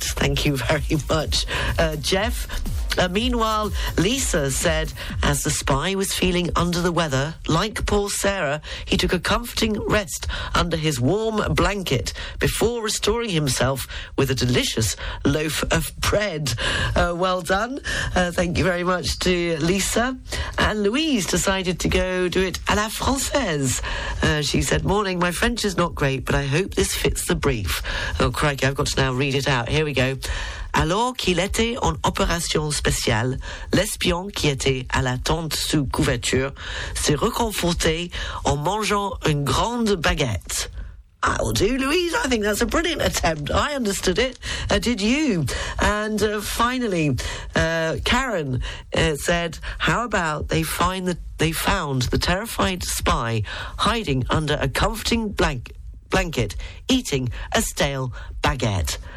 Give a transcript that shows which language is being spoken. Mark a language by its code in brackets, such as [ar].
[en] Thank you very much, Jeff. Meanwhile, Lisa said, as the spy was feeling under the weather, like poor Sarah, he took a comforting rest under his warm blanket before restoring himself with a delicious loaf of bread. Well done. Thank you very much to Lisa. And Louise decided to go do it à la française. She said, morning, my French is not great, but I hope this fits the brief. Oh, crikey, I've got to now read it out. Here we go. [fr] Alors qu'il était en opération spéciale, l'espion qui était à la tente sous couverture s'est reconforté en mangeant une grande baguette. [en] I'll do, Louise. I think that's a brilliant attempt. I understood it. Did you? And finally, Karen said, how about they find they found the terrified spy hiding under a comforting blanket, eating a stale baguette.